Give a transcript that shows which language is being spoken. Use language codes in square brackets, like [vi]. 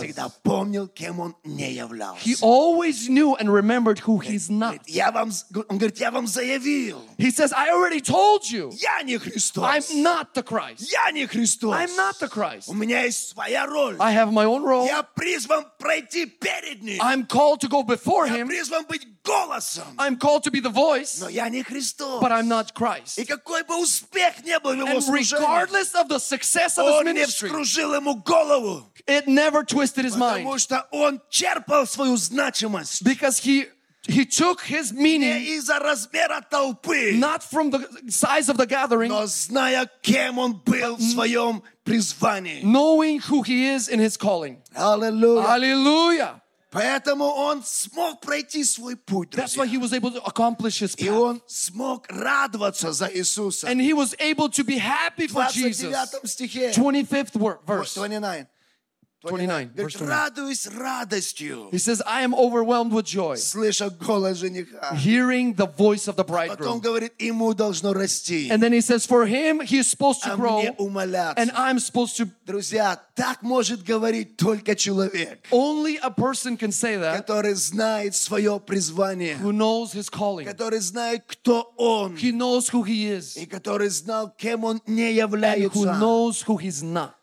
[ru] И он всегда помнил, кем он не являлся. [en] He always knew and remembered who he's not. [ru] Он говорит, я вам заявил. [en] He says, I already told you. [ru] Я не Христос. [en] I'm not the Christ. [ru] Я не Христос. [en] I'm not the Christ. [ru] У меня есть своя роль. [en] I have my own role. [ru] Я призван пройти перед ним. [en] I'm called to go before [ru] я [en] him. [ru] Я призван быть голосом. [en] I'm called to be the voice. [ru] Но я не Христос. [en] But I'm not Christ. [ru] И какой бы успех не был в его служении. [en] And regardless of the success of his ministry, it never twisted his mind. Because he took his meaning not from the size of the gathering, knowing who he is in his calling. Hallelujah! [ru] Поэтому он смог пройти свой путь, друзья. [en] That's why he was able to accomplish his path. [ru] И он смог радоваться за Иисуса. [en] And he was able to be happy for Jesus. [ru] 29 стихе. [en] 25th verse. [ru] 29. Радуюсь радостью. [en] He says, I am overwhelmed with joy. [ru] Слыша голос жениха. [en] Hearing the voice of the bridegroom. [ru] Потом говорит, ему должно расти. [en] And then he says, for him, he is supposed to grow. [ru] А мне умоляться. [en] And I'm supposed to... [ru] Друзья, так может говорить только человек. [en] Only a person can say that. [ru] Который знает свое призвание. [en] Who knows his calling. [ru] Который знает, кто он. [en] He knows who he is. [ru] И который знал, кем он не является. [en] And who knows who he's not.